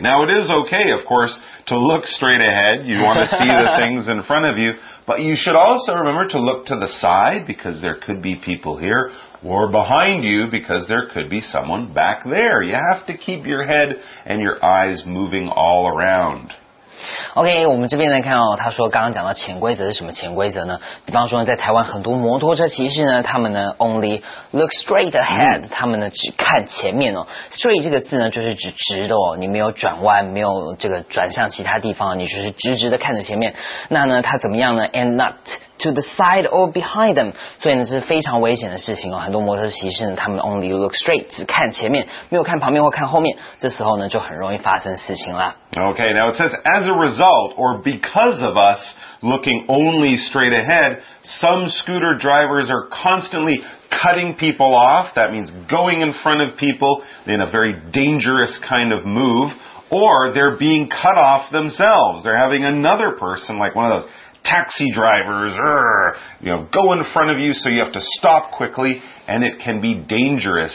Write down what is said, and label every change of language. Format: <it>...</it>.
<en>Now, it is okay, of course, to look straight ahead. You want to see the things in front of you. But you should also remember to look to the side, because there could be people here, or behind you, because there could be someone back there. You have to keep your head and your eyes moving all around.</en> <zh>OK, 我们这边呢看到他说刚刚讲到潜规则是什么潜规则呢，比方说在台湾很多摩托车骑士呢他们呢</zh> <en>only look straight ahead,</en> <zh>他们呢只看前面哦。 Straight 这个字呢就是指直的哦，你没有转弯，没有这个转向其他地方，你就是直直的看着前面。那呢他怎么样呢 ?</zh> <en>And not. To the side or behind them.</en> <zh>所以呢是非常危险的事情哦。很多摩托骑士呢他们</zh> <en>only look straight,</en> <zh>只看前面没有看旁边或看后面。这时候呢就很容易发生事情啦。</zh> <en>Okay, now it says, as a result, or because of us looking only straight ahead, some scooter drivers are constantly cutting people off. That means going in front of people in a very dangerous kind of move. or they're being cut off themselves. They're having another person, like one of those taxi drivers, go in front of you so you have to stop quickly, and it can be dangerous.</en>